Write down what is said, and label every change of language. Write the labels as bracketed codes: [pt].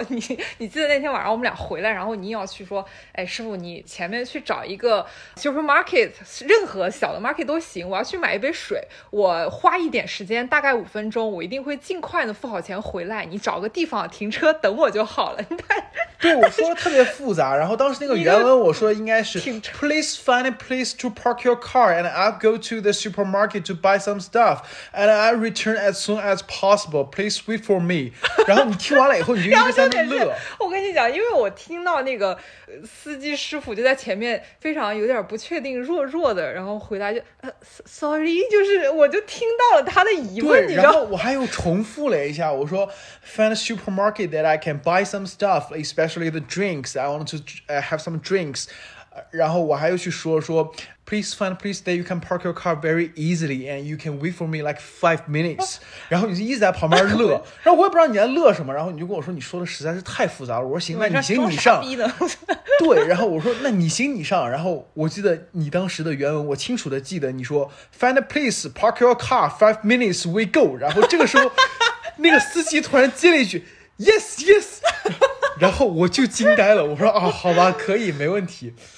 [zh] 你记得那天晚上我们俩回来，然后你要去说，哎，师傅，你前面去找一个 supermarket， 任何小的 market 都行，我要去买一杯水，我花一点时间，大概五分钟，我一定会尽快的付好钱回来，你找个地方停车等我就好了。对，我说的特别复杂，然后当时那个原文我说应该是 [en] please find a place to park your car and I'll go to the supermarket to buy some stuff and I return as soon as possible. Please wait for me. [zh] 然后你听完了以后你就一直在那乐。我跟你讲，因为我听到那个司机师傅就在前面非常有点不确定，弱弱的，然后回答就sorry， 就是我就听到了他的疑问，你知道。然后我还又重复了一下，我说 [en] find a supermarket that I can buy some stuff, especially the drinks. I want to have some drinks. [zh] 然后我还要去说 [en] please find a place that you can park your car very easily and you can wait for me like 5 minutes。 [zh] 然后你就一直在旁边乐，然后我也不知道你在乐什么，然后你就跟我说你说的实在是太复杂了。我说行，那你行你上。对，然后我说那你行你上。然后我记得你当时的原文，我清楚的记得你说 [en] find a place park your car 5 minutes we go。 [zh] 然后这个时候那个司机突然接了一句 [en] yes yes， [zh] 然后我就惊呆了。我说啊，好吧，可以，没问题。